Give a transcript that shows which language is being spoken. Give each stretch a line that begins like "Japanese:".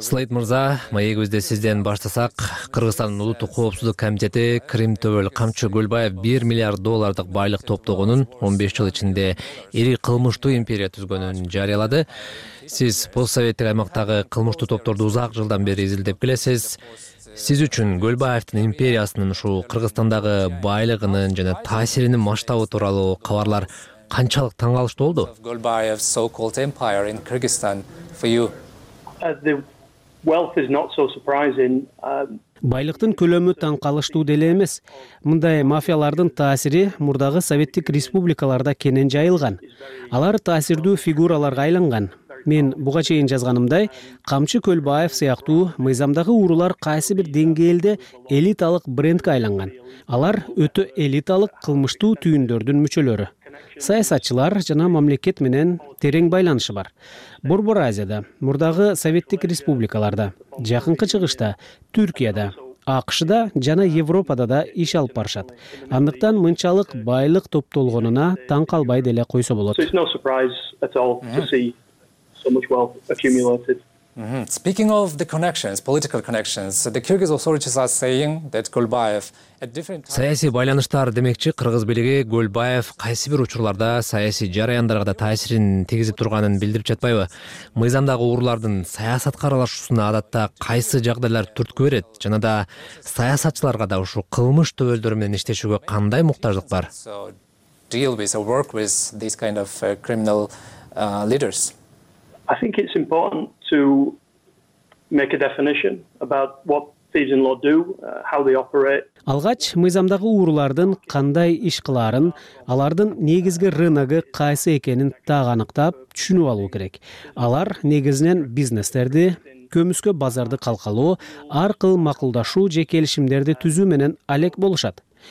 Kyrgyz: Слейт мырза, маегибизде сизден баштасак, Кыргызстандын улуттук коопсуздук комитети Кримтөбөл Камчы Көлбаев 1 миллиард доллардык байлык топтогонун 15 жыл ичинде ири кылмыштуу империя түзгөнүн жарыялады. Сиз постсоветтик аймактагы кылмыштуу топторду узак жылдан бери изилдеп келесиз. Сиз үчүн Көлбаевдин империясынын ушул Кыргызстандагы байлыгынын жана таасиринин масштабы тууралуу кабарлар канчалык таң калыштуу болду?
English: Golbayev's so-called empire in Kyrgyzstan for you. The wealth is not so surprising.
Kyrgyz: Байлыктын көлөмү таң калыштуу деле эмес. Мындай мафиялардын таасири мурдагы советтик республикаларда кенен жайылган. Алар таасирдүү фигураларга айланган. Мен буга чейин жазганымдай, Камчы Көлбаев сыяктуу мыйзамдагы уурулар кайсы бир деңгээлде элиталык брендке айланган. Алар өтө элиталык кылмыштуу түйүндөрдүн мүчөлөрү. Саясатчылар жана мамлекет менен терең байланышы бар. Борбор Азияда, мурдагы советтик республикаларда, жакынкы чыгышта, Түркияда, АКШда жана Европада да иш алып барышат. Андыктан мынчалык байлык топтолгонуна таң калбай деле койсо болот.
English: So much wealth accumulated. Mm-hmm. Speaking of the connections, political connections, the Kyrgyz authorities are saying that Golbayev at different times.
Kyrgyz: Саясий байланыштар демекчи, кыргыз бийлиги Көлбаев кайсы бир учурларда саясий жараяндарга таасирин тийгизип турганын билдирип жатпайбы? Мыйзамдагы уурулардын саясатка аралашуусуна адатта кайсы жагдайлар түрткү берет? Жана да саясатчыларга да ушул кылмыш төбөлдөрү менен иштешүүгө кандай муктаждык бар?
English: Deal with or work with these kind of criminal leaders. I think it's important to make a definition about what thieves in law do, how they operate.
Kyrgyz: Алгач мыйзамдагы уурулардын кандай иш кылаарын, алардын негизги рыногу кайсы экенин так аныктап түшүнүп алуу керек. Алар негизинен бизнестерди, көмүскө базарды калкалоо, ар кыл макулдашуу же келишимдерди түзүү менен алек болушат.